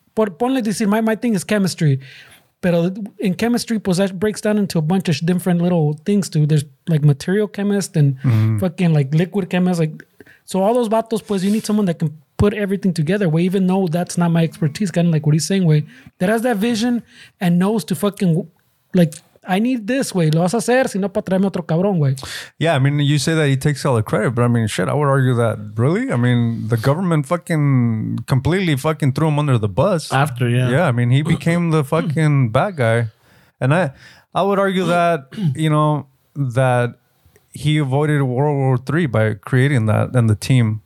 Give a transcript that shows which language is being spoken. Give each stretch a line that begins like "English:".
English: But
Spanish: ponle decir,
English: my thing is chemistry. But in chemistry, pues, that breaks down into a bunch of different little things, too. There's like material chemist and fucking like liquid chemist. Like, so all those vatos, pues, you need someone that can put everything together. Well, even though that's not my expertise, kind of like what he's saying, way, that has that vision and knows to fucking, like, I need this, way.
Spanish: Lo vas a hacer, si no, para traerme otro cabrón, way.
English: Yeah, I mean, you say that he takes all the credit, but I mean, shit, I would argue that, really? I mean, the government fucking completely fucking threw him under the bus. After, yeah. Yeah, I mean, he became the fucking bad guy. And I would argue that, you know, that he avoided World War III by creating that and the team.